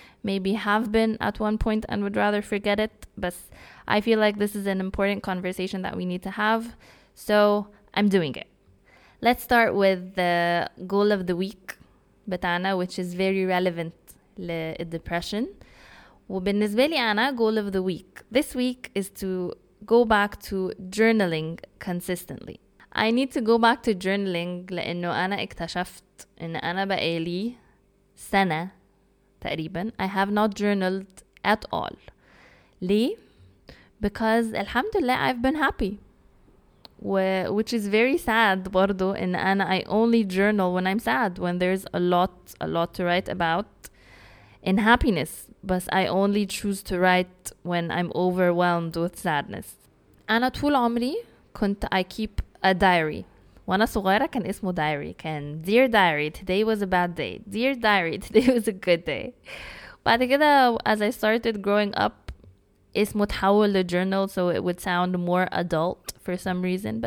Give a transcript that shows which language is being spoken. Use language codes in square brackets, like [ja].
[en] Maybe have been at one point and would rather forget it, but I feel like this is an important conversation that we need to have, so I'm doing it. Let's start with the goal of the week, [ar] بتاعنا, [en] which is very relevant لدepression. [ar] وبالنسبة لي أنا, [en] goal of the week. This week is to go back to journaling consistently. I need to go back to journaling [ar] لأنه أنا اكتشفت إن أنا بقالي سنة تقريباً. [en] I have not journaled at all. [ar] لي? [en] Because [ar] الحمد لله [en] I've been happy. Which is very sad [ar] برضو. [en] And I only journal when I'm sad. When there's a lot to write about in happiness. But I only choose to write when I'm overwhelmed with sadness. [ar] أنا طول عمري كنت [en] I keep a diary. [ar] وانا صغيرة كان اسمه [en] diary. [ar] كان [en] dear diary, today was a bad day. Dear diary, today was a good day. [ar] بعد كده, [en] as I started growing up, [ar] اسمه تحول لجورنال, [en] so it would sound more adult for some reason.